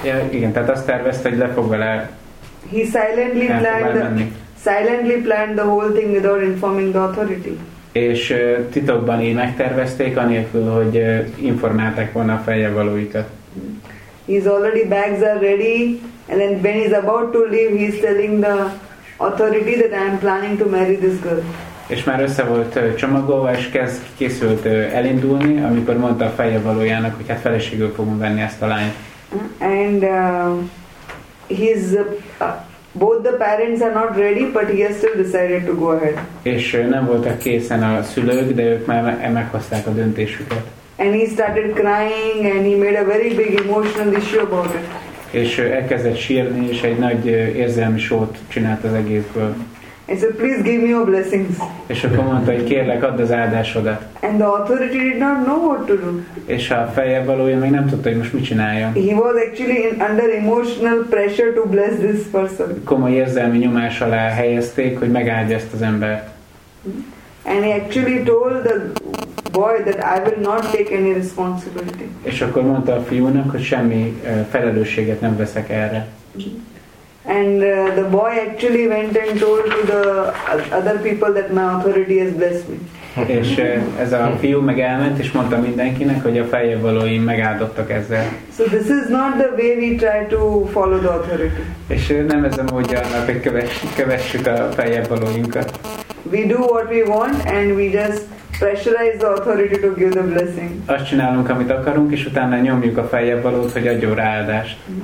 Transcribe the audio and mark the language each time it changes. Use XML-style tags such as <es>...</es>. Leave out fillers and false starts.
<hu>igen, tehát azt tervezte, hogy le fog vele</hu> <en>he silently planned the whole thing without informing the authority.</en> <hu>És titokban így megtervezték, anélkül, hogy informálták volna a feljavalóikat.</hu> <en>His already bags are ready, and then when he's about to leave, he's telling the authority that I'm planning to marry this girl.</en> <hu>És már össze volt csomagolva, és készült elindulni, amikor mondta a feljavalójának, hogy hát feleségül fogom venni ezt a lányt.</hu> <en>And his both the parents are not ready, but he has still decided to go ahead.</en> <hu>És nem voltak készen a szülők, de ők már meghozták a döntésüket.</hu> <en>And he started crying, and he made a very big emotional issue about it.</en> <hu>És elkezdett sírni, és egy nagy érzelmi showt csinált az egészből.</hu> <en>And so please give me your blessings.</en> <hu>És akkor mondta, hogy kérlek, add az áldásodat.</hu> <en>And the authority did not know what to do.</en> <hu>És a feljavalója még nem tudta, hogy most mit csináljon.</hu> <en>He was actually under emotional pressure to bless this person.</en> <hu>Komoly érzelmi nyomás alá helyezték, hogy megáldja ezt az embert.</hu> <en>And he actually told the boy that I will not take any responsibility.</en> <hu>És akkor mondta a fiúnak, hogy semmi felelősséget nem veszek erre.</hu> <en>And the boy actually went and told to the other people that my authority has blessed me.</en> <hu>És ez a fiú meg elment, és mondta mindenkinek, hogy a feljavalóim megáldottak ezzel.</hu> <en>So this is not the way we try to follow the authority.</en> <hu>És nem ez a módja, hogy kövessük a feljavalóinkat.</hu> <en>We do what we want, and we just pressurize the authority to give the blessing.</en> <hu>Azt csinálunk, amit akarunk, és utána nyomjuk a feljavalót, hogy adjon rá áldást.</hu>